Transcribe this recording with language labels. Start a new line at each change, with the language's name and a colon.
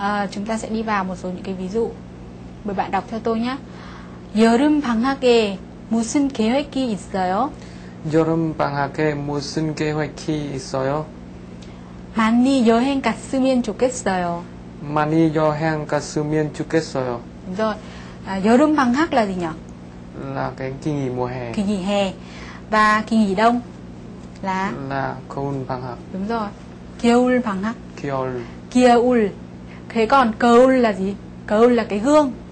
Vietnamese: Chúng ta sẽ đi vào một số những cái ví dụ. Mời bạn đọc theo tôi nhé.
Korean: 여름 방학에 무슨 계획이 있어요? 여름 방학에 무슨 계획이 있어요? 많이 여행 갔으면 좋겠어요. 많이 여행 갔으면 좋겠어요. 그래서 여름 방학
Vietnamese: là gì nhỉ? Là cái kỳ nghỉ mùa hè. Kỳ nghỉ hè. Và kỳ nghỉ đông là?
Korean: Là 겨울 방학.
Vietnamese: Đúng rồi.
Korean: 겨울 방학. 겨울.
Vietnamese: 겨울. Thế còn 겨울 là gì? Kyo là cái gương.